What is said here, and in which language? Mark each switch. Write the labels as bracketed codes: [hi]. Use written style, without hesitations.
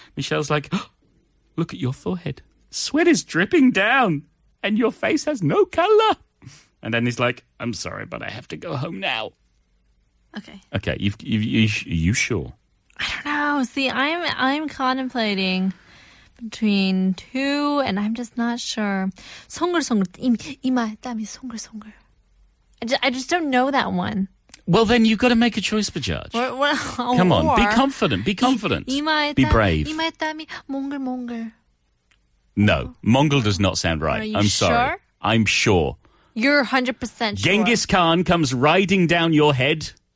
[en] Michelle's like, look at your forehead. Sweat is dripping down and your face has no color. And then he's like, I'm sorry, but I have to go home now. Okay. Okay. Are you sure? I don't know. See, I'm contemplating between 2, and I'm just not sure. [ko] 송글송글, 이마에 땀이 송글송글. [en] I just don't know that one. Well, then you've got to make a choice, Bajaj. Come on, be confident, be confident. [ko] 이마에 [en] be brave. [ko] 이마에 땀이 몽글몽글. [en] No, Mongol does not sound right. Are you I'm sure? Sorry. I'm sure. You're 100% sure. Genghis Khan comes riding down your head.